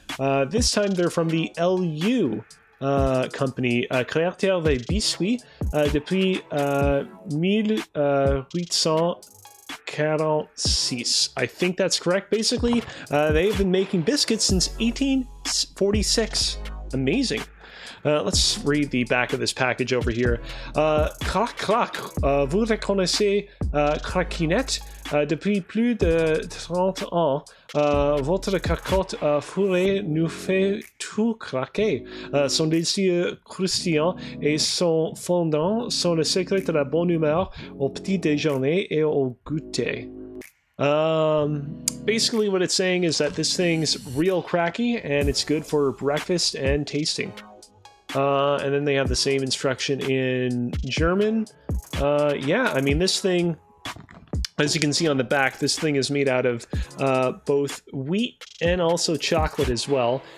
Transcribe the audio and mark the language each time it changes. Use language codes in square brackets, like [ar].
[en] This time they're from the LU company, [fr] Créateur des Biscuits depuis 1846. [en] I think that's correct. Basically, they've been making biscuits since 1846. Amazing. Let's read the back of this package over here. [fr] Crac, crac, vous reconnaissez craquinette? Depuis plus de 30 ans, votre cacotte fourrée nous fait tout craquer. Son délicieux croustillant et son fondant sont le secret de la bonne humeur au petit déjeuner et au goûter. [en] Basically what it's saying is that this thing's real cracky and it's good for breakfast and tasting. And then they have the same instruction in German. Yeah, I mean, this thing, as you can see on the back, this thing is made out of both wheat and also chocolate as well.